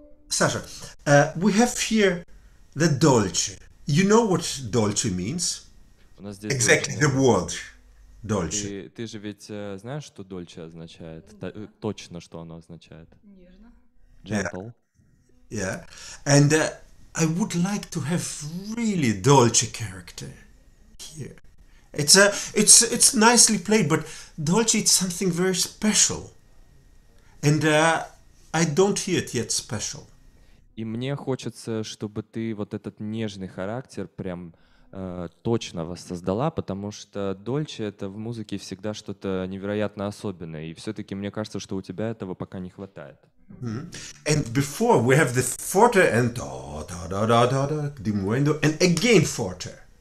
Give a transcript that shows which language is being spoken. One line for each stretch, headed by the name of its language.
English: Sasha, we have here the dolce. You know what dolce means? Exactly, the word dolce.
Russian: Ты же ведь знаешь, что dolce означает? Точно, что оно означает? Нежно.
English: Gentle. Yeah. And I would like to have really dolce character here. It's nicely played, but dolce is something very special. And I don't hear it yet special.
Russian: И мне хочется, чтобы ты вот этот нежный характер прям точно воссоздала, потому что дольче — это в музыке всегда что-то невероятно особенное. И все-таки мне кажется, что у тебя этого пока не хватает.
English: Mm-hmm. And before we have the forte and da-da-da-da-da, diminuendo, and again forte.